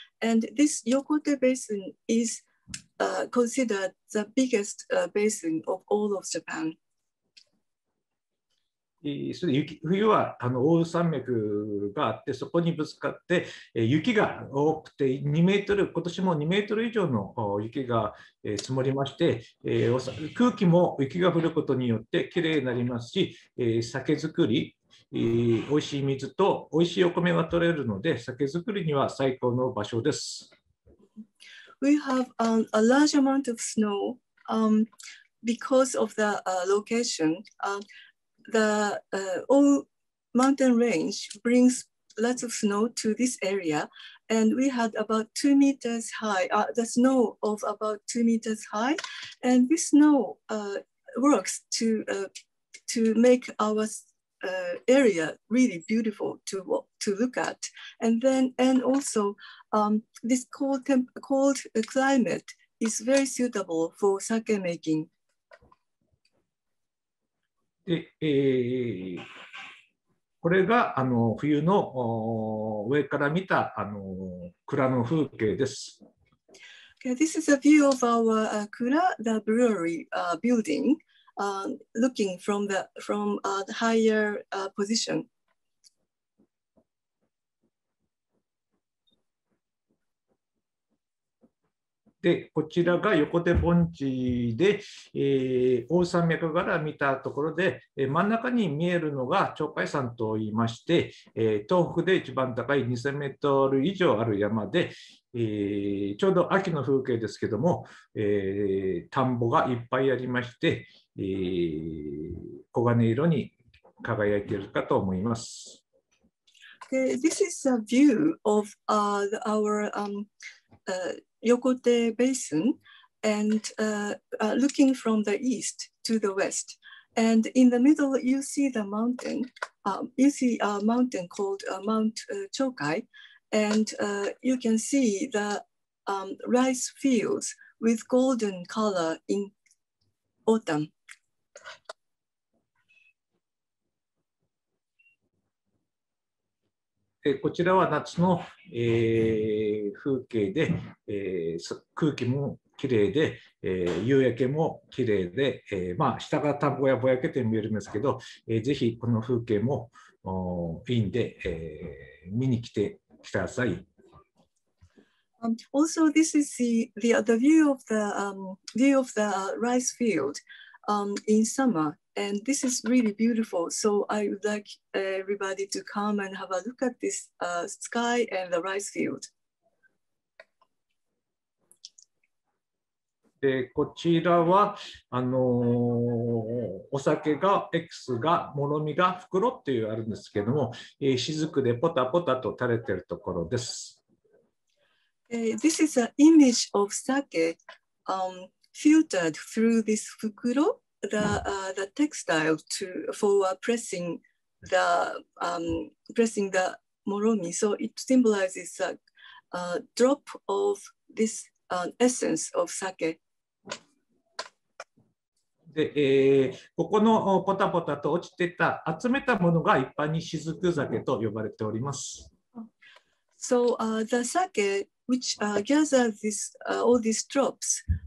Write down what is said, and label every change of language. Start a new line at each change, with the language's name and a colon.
English: And this Yokote Basin is considered the biggest basin of all of Japan.
Japanese: それ雪冬は奥羽山脈があって、そこにぶつかって雪が多くて2メートル、今年も2メートル以上の雪が積もりまして、空気も雪が降ることによってきれいになりますし、酒造り、おいしい水とおいしいお米が取れるので、酒造りには最高の場所です。
English: We have a large amount of snow because of the location. The Old Mountain Range brings lots of snow to this area, and we had about 2 meters high, the snow of about 2 meters high, and this snow works to make our area really beautiful to look at. And also, this cold climate is very suitable for sake making.
Japanese: で、これが冬の上から見た蔵の風景です。
English: Okay, this is a view of our Kura, the brewery building, looking from the higher position.
Japanese: で、こちらが横手盆地で、大山脈から見たところで、真ん中に見えるのが鳥海山といいまして、東北で一番高い2000メートル以上ある山で、ちょうど秋の風景ですけども、田んぼがいっぱいありまして、黄金色に輝いているかと思います。
English: Okay, this is a view of Yokote Basin, and looking from the east to the west. And in the middle, you see the mountain. You see a mountain called Mount Chōkai, and you can see the rice fields with golden color in autumn.
Japanese: こちらは夏の、風景で、空気もきれいで、夕焼けもきれいで、まあ、下が田んぼやぼやけて見えるんですけど、ぜひこの風景もいいんで、見に来てください。
English: Also, this is the view of the, view of the rice field, in summer. And this is really beautiful. So I would like everybody to come and have a look at this sky and the rice field.
Japanese: で、こちらはお酒が X がもろみが袋っていうあるんですけども、しずくでポタポタと垂れてるところです。
English: This is an image of sake filtered through this 袋。 The textile to for pressing the moromi, so it symbolizes a drop of this essence of sake.
Japanese: で、ここのポタポタと落ちてた集めたものが一般にしずく酒と呼ばれております。
English: So the sake which gathers this all these drops.